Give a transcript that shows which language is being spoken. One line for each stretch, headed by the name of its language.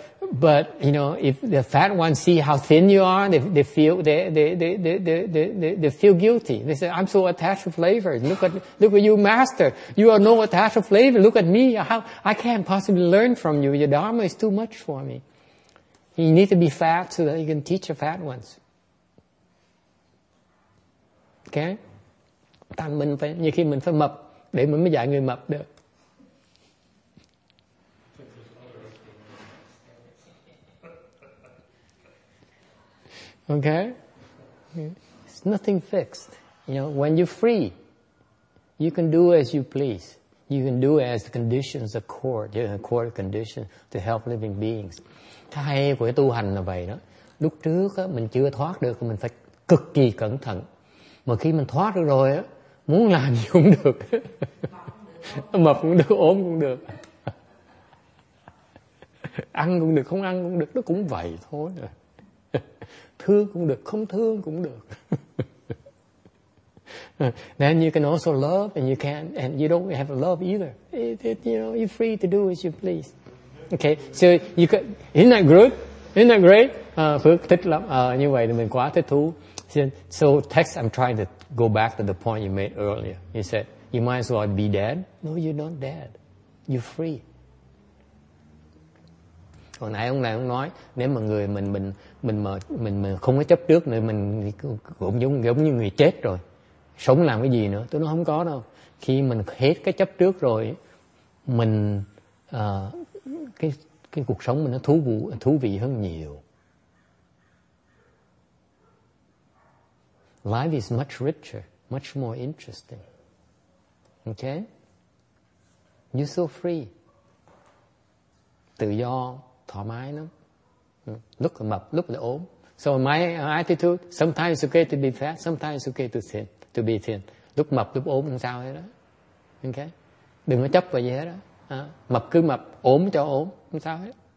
English: But you know, if the fat ones see how thin you are, they feel guilty. They say, I'm so attached to flavor. Look at you, master. You are no attached to flavor. Look at me. I can't possibly learn from you. Your dharma is too much for me. You need to be fat so that you can teach the fat ones. Okay?
Vietnamese: Tại mình phải, nhiều khi mình phải mập để mình mới dạy người mập được.
English: Okay? It's nothing fixed. You know, when you're free, you can do as you please. You can do as the conditions accord, you know, accord conditions to help living beings.
Vietnamese: Cái hay của tu hành là vậy đó. Lúc trước á, mình chưa thoát được, mình phải cực kỳ cẩn thận. Mà khi mình thoát được rồi á, muốn làm gì cũng được. Mập cũng được, ốm cũng được. Ăn cũng được, không ăn cũng được. Nó cũng vậy thôi. Thương cũng được, không thương cũng được.
English: Then you can also love and you can't, and you don't have love either. You know, you're free to do as you please. Okay, so you could, isn't that good? Isn't that great?
Vietnamese: Phước thích lắm. Như vậy thì mình quá thích thú.
English: So text, I'm trying to go back to the point you made earlier. You said, you might as well be dead. No, you're not dead. You're free.
Vietnamese: Hồi nãy ông này ông nói, nếu mà người mình không có chấp trước nữa, mình cũng giống như người chết rồi. Sống làm cái gì nữa? Tôi nói không có đâu. Khi mình hết cái chấp trước rồi, mình... Cái cuộc sống mình nó thú vị hơn nhiều.
English: Life is much richer, much more interesting. Okay? You're so free.
Vietnamese: Tự do, thoải mái lắm. Lúc là mập, lúc là ốm.
English: So my attitude, sometimes it's okay to be fat, sometimes it's okay to be thin.
Vietnamese: Lúc mập, lúc ốm, làm sao hết đó. Okay? Đừng có chấp vào gì hết đó. Mập cứ mập, ốm cho ốm, không sao hết.